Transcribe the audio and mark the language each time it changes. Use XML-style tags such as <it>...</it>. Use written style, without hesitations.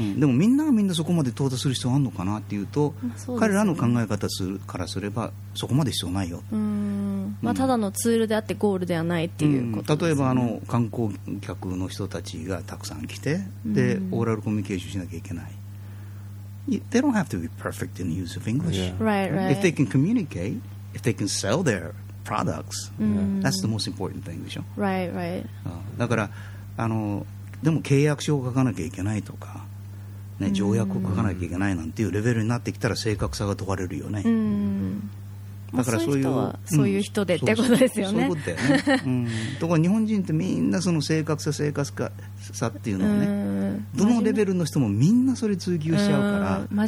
<ja>でもみんながみんなそこまで到達する必要があるのかなっていうと、彼らの考え方するからすればそこまで必要ないよ。ただのツールであってゴールではないっていうことですね。例えばあの観光客の人たちがたくさん来て、でオーラルコミュニケーションしなきゃいけない。</ja> <en>They don't have to be perfect in the use of English. Right, right. If they can communicate, if they can sell their products, that's the most important thing,</en> <ja>でしょ。</ja> <en>Right, right.</en> <ja>だからあのでも契約書を書かなきゃいけないとか、ね、条約を書かなきゃいけないなんていうレベルになってきたら正確さが問われるよね。だからそういう人はそういう人でってことですよね。そういうことだよね。ところが日本人ってみんなその正確さ正確さっていうのをね、どのレベルの人もみんなそれ追求しちゃうから、</ja>